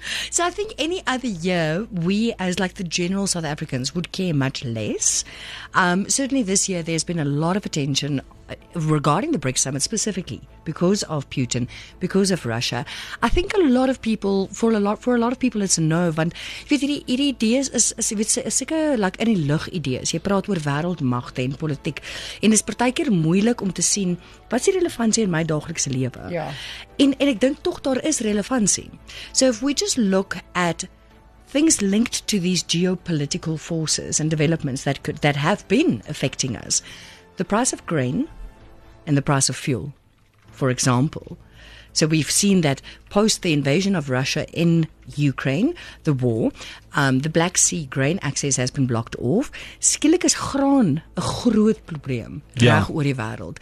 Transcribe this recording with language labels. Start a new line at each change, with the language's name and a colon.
English: So I think any other year, we as like the general South Africans would care much less. Certainly this year, there's been a lot of attention regarding the BRICS summit specifically because of Putin, because of Russia. I think a lot of people, for a lot of people, it's a no.
Afrikaans: Want weet jy, hierdie idees is seker like in die lug idees. Jy praat oor wêreldmagte en politiek en is partykeer moeilik om te sien wat is die relevantie in my daaglikse lewe. Ja. En ek dink tog daar is relevantie.
English: So if we just look at things linked to these geopolitical forces and developments that have been affecting us. The price of grain and the price of fuel, for example. So we've seen that post the invasion of Russia in Ukraine, the war, the Black Sea grain access has been blocked off.
Afrikaans: Skielik is graan 'n groot probleem reg oor die wêreld.